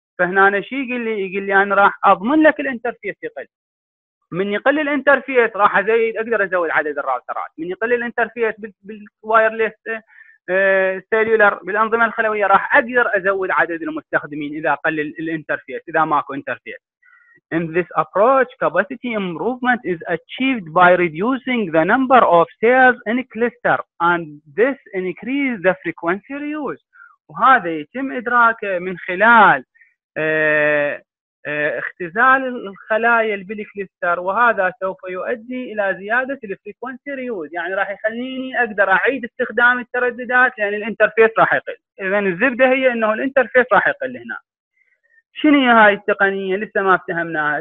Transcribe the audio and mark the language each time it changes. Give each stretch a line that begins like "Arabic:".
Arabic: فهنا أنا شي يقول لي أنا راح أضمن لك الانترفيس يقل. من يقل الانترفيس راح أزيد، أقدر أزود عدد الراوترات. من يقل الانترفيس بالوايرلس سيليولر بالأنظمة الخلوية راح أقدر أزود عدد المستخدمين إذا قل الانترفيس، إذا ماكو انترفيس.
English: In this approach, capacity improvement is achieved by reducing the number of cells in a cluster and this increases the frequency reuse.
Arabic: وهذا يتم إدراكه من خلال اختزال الخلايا بالكليستر، وهذا سوف يؤدي إلى زيادة الفريكونسي ريوز، يعني راح يخليني أقدر أعيد استخدام الترددات لأن الانترفيس راح يقل. إذن الزبدة هي أنه الانترفيس راح يقل هنا. شنو هاي التقنية؟ لسه ما افتهمناها.